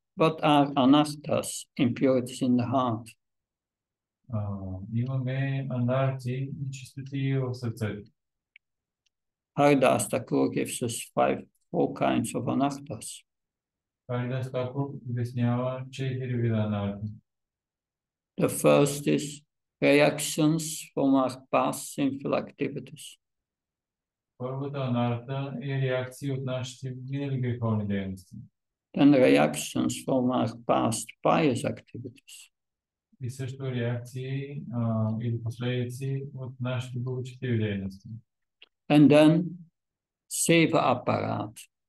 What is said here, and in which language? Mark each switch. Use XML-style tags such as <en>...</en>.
<en>What are anarthas, impurities in the heart?</en> <bg>Имаме анарти и чистоти в сърцето.</bg> <en>Haridas Thakur gives us four kinds of anarthas.</en> <bg>Haridas Thakur обяснява четири вида анарти.</bg> <en>The first is reactions from our past sinful activities.</en> <bg>Първата анарта е реакции от нашите минали греховни дейности.</bg> <en>Then reactions from our past pious activities.</en> <bg>И също реакции или последици от нашите благочестиви дейности.</bg> <en>And then seva aparadha.</en>